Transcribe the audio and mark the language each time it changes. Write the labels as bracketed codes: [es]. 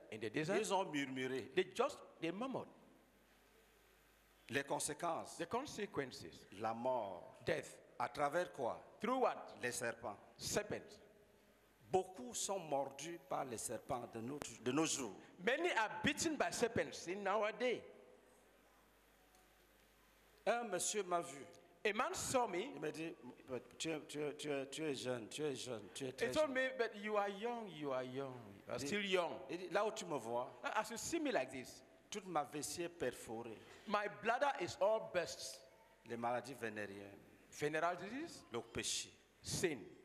[en] In the desert. [fr] Ils ont murmuré. [en] They murmured. [fr] Les conséquences. [en] The consequences. [fr] La mort. [en] Death. [fr] À travers quoi? [en] Through what? [fr] Les serpents. [en] Serpents. [fr] Beaucoup sont mordus par les serpents de nos jours. [en] Many are bitten by serpents in our day. [fr] Un monsieur m'a vu. [en] A man saw me. [fr] Il m'a dit, tu es jeune, tu es très jeune. [en] He told me, but you are young, you are still young. [fr] Il dit, là où tu me vois. [en] As you see me like this. [fr] Toute ma vessie est perforée. [en] My bladder is all bursts. [fr] Les maladies vénériennes. [en] Venereal disease. [fr] Le péché. [en] Sin.